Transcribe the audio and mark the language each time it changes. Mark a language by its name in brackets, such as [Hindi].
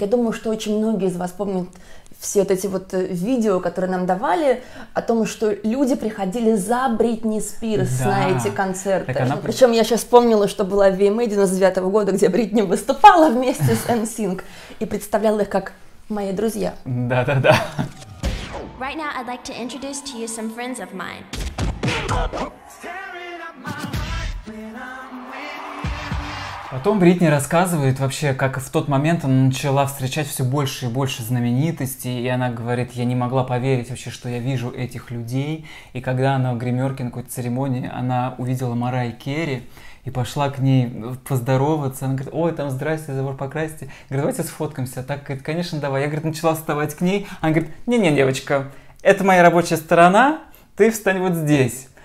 [Russian] Я думаю, что очень многие из вас помнят все вот эти вот видео, которые нам давали, о том, что люди приходили за Бритни Спирс, да, на эти концерты. Она... Причем я сейчас вспомнила, что была в VMA 99 года, где Бритни выступала вместе с NSYNC и представляла их как мои друзья. Да-да-да. [English] Right now I'd like to introduce to you some friends of mine. [Russian] Потом Бритни рассказывает вообще, как в тот момент она начала встречать все больше и больше знаменитостей, и она говорит, я не могла поверить вообще, что я вижу этих людей, и когда она в гримерке на какой-то церемонии, она увидела Марай Керри и пошла к ней поздороваться, она говорит, ой, там, здрасте, забор покрасьте, говорит, давайте сфоткаемся, так, говорит, конечно, давай, я, говорит, начала вставать к ней, она говорит, не-не, девочка, это моя рабочая сторона, ты встань вот здесь.